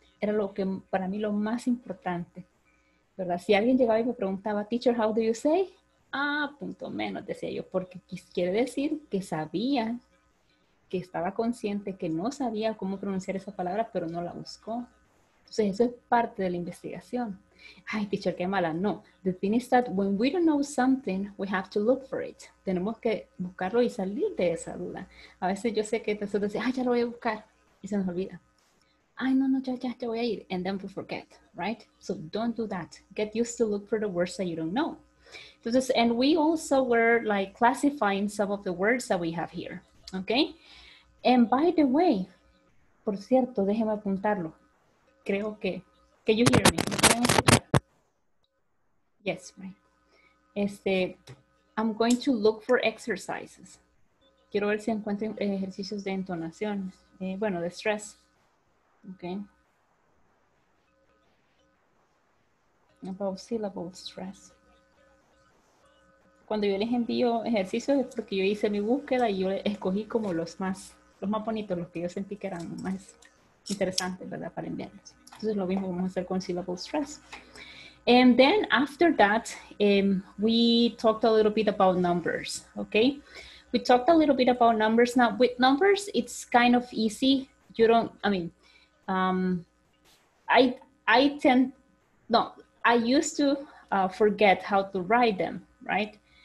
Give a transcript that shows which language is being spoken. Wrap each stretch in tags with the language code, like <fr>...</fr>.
<es>Era lo que para mí lo más importante, ¿verdad? Si alguien llegaba y me preguntaba, teacher,</es> <en>how do you say?</en> <es>Ah, punto menos, decía yo, porque quiere decir que sabía, que estaba consciente, que no sabía cómo pronunciar esa palabra, pero no la buscó. Entonces, eso es parte de la investigación. Ay, teacher, qué mala. No.</es> <en>The thing is that when we don't know something, we have to look for it.</en> <es>Tenemos que buscarlo y salir de esa duda. A veces yo sé que nosotros decimos, ay, ya lo voy a buscar. Y se nos olvida. Ay, no, no, ya voy a ir.</es> <en>And then we forget, right? So don't do that. Get used to look for the words that you don't know. Entonces, and we also were like classifying some of the words that we have here. Okay? And by the way,</en> <es>por cierto, déjeme apuntarlo. Creo que,</es> <en>can you hear me? Yes, right. I'm going to look for exercises.</en> <es>Quiero ver si encuentro ejercicios de entonación. Bueno, de stress. Okay.</es> <en>About syllable stress.</en> <es>Cuando yo les envío ejercicios es porque yo hice mi búsqueda y yo escogí como los más bonitos, los que yo sentí que eran más interesantes, ¿verdad? Para enviarlos. Entonces lo mismo vamos a hacer con syllable stress.</es> <en>And then after that, we talked a little bit about numbers, okay? We talked a little bit about numbers. Now, with numbers, it's kind of easy. You don't, I mean, I used to forget how to write them, right?</en>